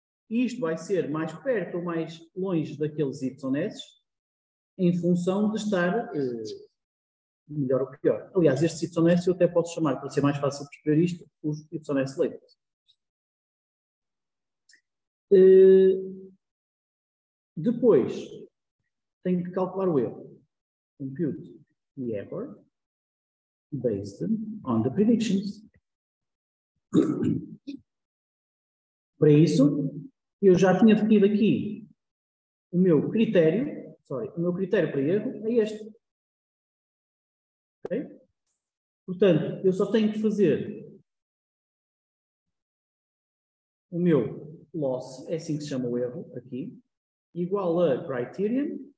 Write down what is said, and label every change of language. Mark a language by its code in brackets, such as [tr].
[pt] Isto vai ser mais perto ou mais longe daqueles y's em função de estar melhor ou pior. Aliás, estes y's eu até posso chamar, para ser mais fácil perceber isto, os y's leitos. Depois, tenho que calcular o erro. [en] Compute the error based on the predictions. [pt] Para isso, eu já tinha definido aqui o meu critério, o meu critério para erro é este. Okay? Portanto, eu só tenho que fazer o meu loss, é assim que se chama o erro aqui, igual a criterion.